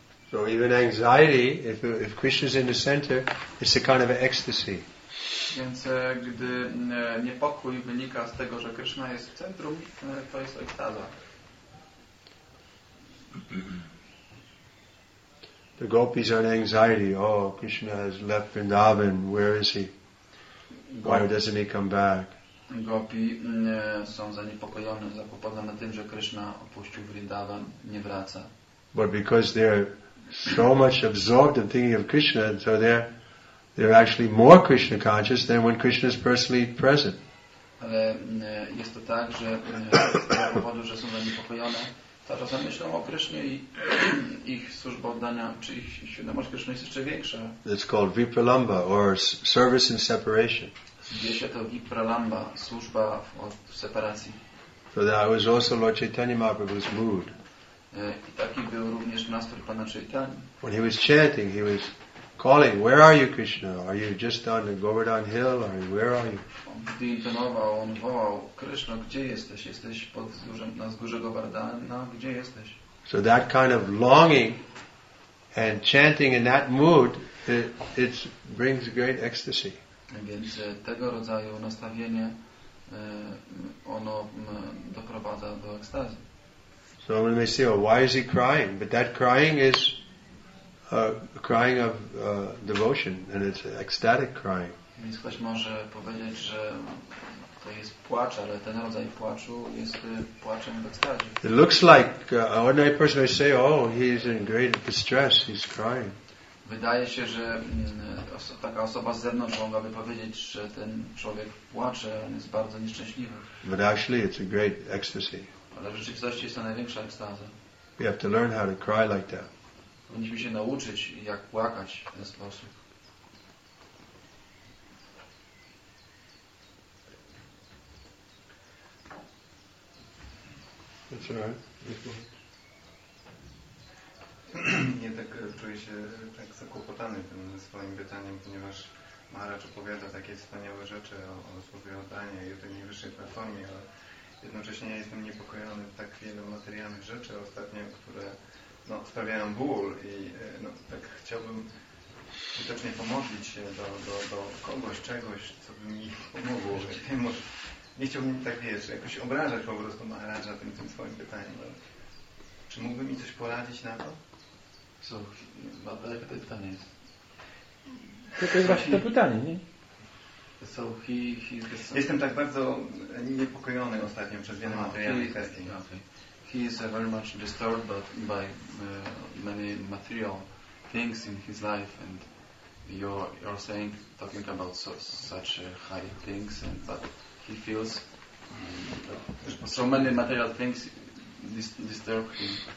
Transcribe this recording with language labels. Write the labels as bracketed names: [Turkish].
[English] So even anxiety, if Krishna's in the center, it's a kind of an ecstasy. [Polish] Więc gdy niepokój wynika z tego, że Krishna jest w centrum, to jest ekstaza. [English] The gopis are in anxiety. Oh, Krishna has left Vrindavan. Where is he? Why doesn't he come back? [Polish] Gopi są zaniepokojone, zakłopotane tym, że Krishna opuścił Vrindavan, nie wraca. [English] But because they're so much absorbed in thinking of Krishna, so they're actually more Krishna conscious than when Krishna is personally present. [Polish] Ale jest to tak, że z powodu, że są zaniepokojone, teraz myślą o Krishnie i ich służba oddania, czy ich świadomość Krishna jest jeszcze większa. [English] It's called vipralamba or service in separation. [Polish] Wie się to vipralamba, służba w separacji. [English] So that was also Lord Chaitanya Mahaprabhu's mood. [Polish] I taki był również nastrój Pana Chaitanya. [English] When he was chanting, he was calling, where are you, Krishna? Are you just on the Govardhan Hill? Or where are you? [Polish] Gdy intonował, on wołał, Krishna, gdzie jesteś? Jesteś pod na wzgórze Govardhana? Gdzie jesteś? [English] So that kind of longing and chanting in that mood, it brings great ecstasy. [Polish] Więc tego rodzaju nastawienie, ono doprowadza do ekstazy. [English] So we may say, oh, why is he crying? But that crying is a crying of devotion, and it's an ecstatic crying. [Polish] Więc ktoś może powiedzieć, że to jest płacz, ale ten rodzaj płaczu jest płaczem w ekstazie. [English] It looks like an ordinary person may say, oh, he's in great distress, he's crying. [Polish] Wydaje się, że taka osoba z zewnątrz mogłaby powiedzieć, że ten człowiek płacze, on jest bardzo nieszczęśliwy. [English] But actually it's a great ecstasy. [Polish] Ale w rzeczywistości jest to największa ekstaza. [English] We have to learn how to cry like that. [Polish] Powinniśmy się nauczyć, jak płakać w ten sposób. [English] That's all right. [Polish] nie tak czuję się tak zakłopotany tym swoim pytaniem, ponieważ Maharaj opowiada takie wspaniałe rzeczy o słowie oddania i o tej najwyższej platformie, ale jednocześnie ja jestem niepokojony tak wielu materialnych rzeczy ostatnio, które no, sprawiają ból i no, tak chciałbym skutecznie pomodlić się do kogoś, czegoś, co by mi pomogło. Nie chciałbym tak, wiesz, jakoś obrażać po prostu Maharaja tym swoim pytaniem, ale czy mógłby mi coś poradzić na to? Co? Ale jakie to pytanie jest? To jest właśnie to pytanie, nie? [English] So he [Polish] jestem tak bardzo niepokojony ostatnio przez wiele materialnych kwestii. [English] He is very much disturbed by many material things in his life, and you're saying, talking about such high things, and but he feels so many material things disturb him.